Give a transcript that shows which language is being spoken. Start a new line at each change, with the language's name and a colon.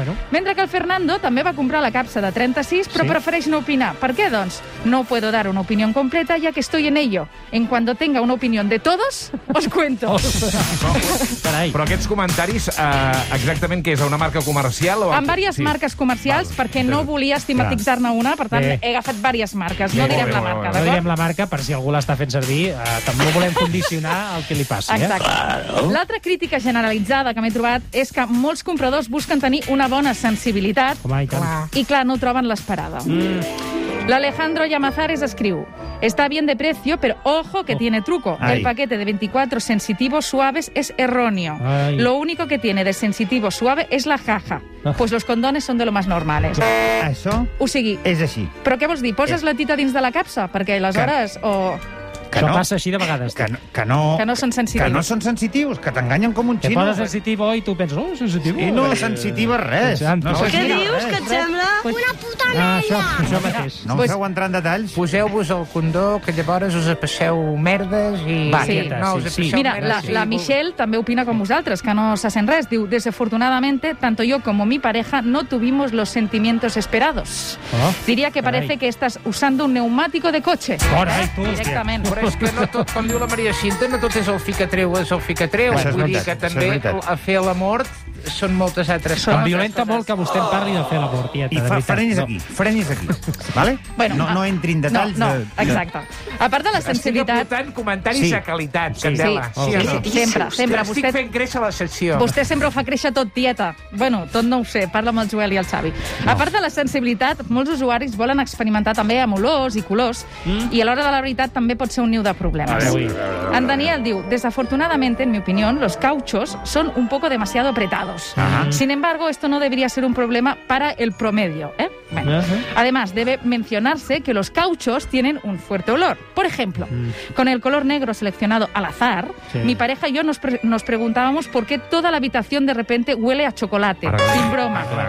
Catalan: Mentre que el Fernando també va comprar la capsa de 36, però prefereix no opinar. Per què, doncs?
Spanish: No puedo dar una opinión completa, ya que estoy en ello. En cuando tenga una opinión de todos, os cuento.
Catalan: Però aquests comentaris, exactament què és? A una marca comercial? Amb diverses marques comercials, perquè no volia estigmatitzar-ne una, per tant, he agafat diverses marques. No direm la marca, d'acord? No direm la marca, per si algú l'està fent servir, també ho volem condicionar el que li passi. Exacte. L'altra crítica generalitzada que m'he trobat és que molts compradors busquen tenir una bona sensibilitat i clar, no troben l'esperada. L'Alejandro Llamazares escriu
Spanish: Está bien de precio, pero ojo que tiene truco.
Catalan: Ay.
Spanish: El paquete de 24 sensitivos suaves es erróneo. Ay. Lo único que tiene de sensitivo suave es la jaja. Pues los condones son de lo más normales. Eso
Catalan: o sigui,
Spanish: es así.
Catalan: ¿Pero qué vols dir? ¿Poses la tita dins de la capsa? Porque aleshores... Que això no, passa així de vegades. Que no són sensitius. Que no són sensitius, que t'enganyen com un xino. Que poses sensitiu i tu penses, oh, sensitiu. I no sensitiva res. No, què dius, que et sembla? Una puta merda. Això mateix. No em feu entrar en detalls. Poseu-vos el condó, que llavors us passeu merdes i... Mira, la Michelle també opina com vosaltres, que no se sent res.
Spanish: Diu, desafortunadamente, tanto yo como mi pareja no tuvimos los sentimientos esperados. Diria que parece que estás usando un neumático de coche.
Catalan: Directament. Però és que no tot, com diu la Maria Cinta, no tot és el ficatreu, és el ficatreu. Vull dir que també a fer la mort són moltes altres coses. Em violenta molt que vostè em parli de fer la mort, tieta. I frenis aquí. Vale? Bueno, no entri en detalls. No, exacte. A part de la sensibilitat... Estic aportant comentaris de qualitat, Candela. Sempre. Estic vostè... fent créixer la secció. Vostè sempre ho fa créixer tot, tieta. Bueno, tot no ho sé. Parla amb el Joel i el Xavi. No. A part de la sensibilitat, molts usuaris volen experimentar també amb olors i colors i a l'hora de la veritat també pot ser un niu de problemes. Veure, en Daniel diu,
Spanish: desafortunadamente, en mi opinión, los cauchos son un poco demasiado apretados. Sin embargo, esto no debería ser un problema para el promedio, ¿eh? Bueno. Además, debe mencionarse que los cauchos tienen un fuerte olor. Por ejemplo, con el color negro seleccionado al azar, mi pareja y yo nos preguntábamos por qué toda la habitación de repente huele a chocolate. Para sin broma.